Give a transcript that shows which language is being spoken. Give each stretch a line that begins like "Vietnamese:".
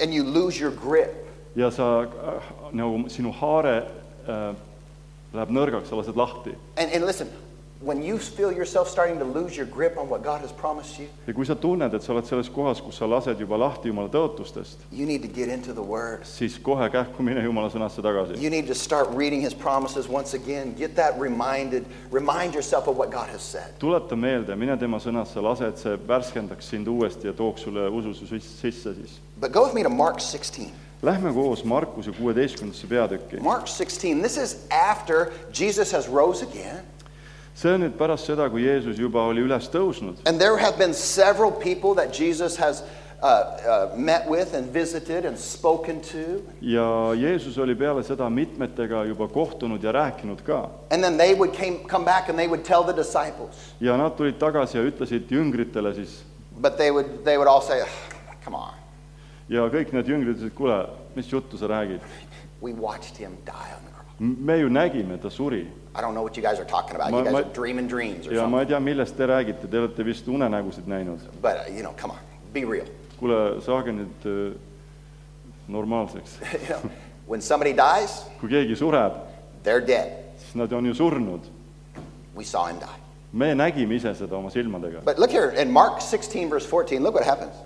English: And you lose your grip.
Estonian: Ja sa nagu sinu haare läheb nõrgaks, sa lased lahti.
English: And listen, when you feel yourself starting to lose your grip on what God has promised you,
Estonian: ja kui sa tunned, et sa oled selles kohas, kus sa lased juba lahti Jumala tõotustest,
English: you need to get into the Word.
Estonian: Siis kohe kähku mine Jumala sõnasse tagasi.
English: You need to start reading His promises once again. Get that reminded. Remind yourself of what God has said.
Estonian: Tuleta meelde, mine tema sõnasse lase, et see värskendaks sind uuesti ja tooks sulle ususu sisse siis.
English: But go with me to Mark 16.
Estonian: Lähme koos Markuse 16. Peatükki.
English: Mark 16. This is after Jesus has rose again.
Estonian: See on nüüd pärast seda, kui Jeesus juba oli üles tõusnud.
English: And there have been several people that Jesus has met with and visited and spoken to.
Estonian: Ja Jeesus oli peale seda mitmetega juba kohtunud ja rääkinud ka.
English: And then they would come back and they would tell the disciples.
Estonian: Ja nad tulid tagasi ja ütlesid jüngritele siis.
English: But they would all say, come on.
Estonian: Ja kõik need jüngrid siis, kuule, mis juttu sa räägid?
English: We watched him die on the cross.
Estonian: Me ju nägime, ta suri.
English: I don't know what you guys are talking about. You guys are dreaming dreams or
Estonian: ja
English: something.
Estonian: Ma ei tea, millest te räägite. Te olete vist unenägusid näinud.
English: But, you know, come on. Be real.
Estonian: Kuule, saage nüüd normaalseks.
English: You know, when somebody dies,
Estonian: kui keegi sureb,
English: they're dead.
Estonian: Siis nad on ju surnud.
English: We saw him die.
Estonian: Me nägime ise seda oma silmadega.
English: But look here, in Mark 16, verse 14, look what happens.